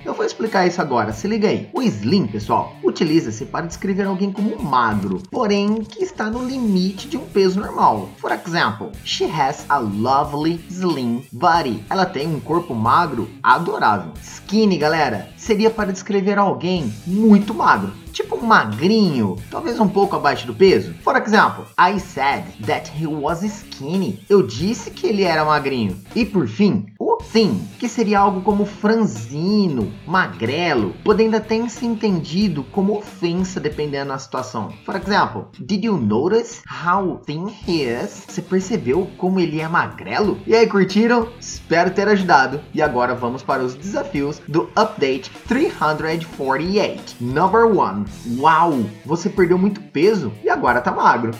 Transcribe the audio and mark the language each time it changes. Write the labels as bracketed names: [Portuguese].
[Portuguese] Eu vou explicar isso agora, se liga aí. O slim, pessoal, utiliza-se para descrever alguém como magro, porém que está no limite de um peso normal. [English] For example, she has a lovely slim body. [Portuguese] Ela tem um corpo magro adorável. Skinny, galera, seria para descrever alguém muito magro. Tipo magrinho, talvez um pouco abaixo do peso. [English] For example, I said that he was skinny. [Portuguese] Eu disse que ele era magrinho. E por fim, o thin, que seria algo como franzino, magrelo, podendo até ser entendido como ofensa dependendo da situação. [English] For example, did you notice how thin he is? [Portuguese] Você percebeu como ele é magrelo? E aí, curtiram? Espero ter ajudado. E agora vamos para os desafios do Update 348. [English] Number 1. [Portuguese] Uau, você perdeu muito peso e agora tá magro.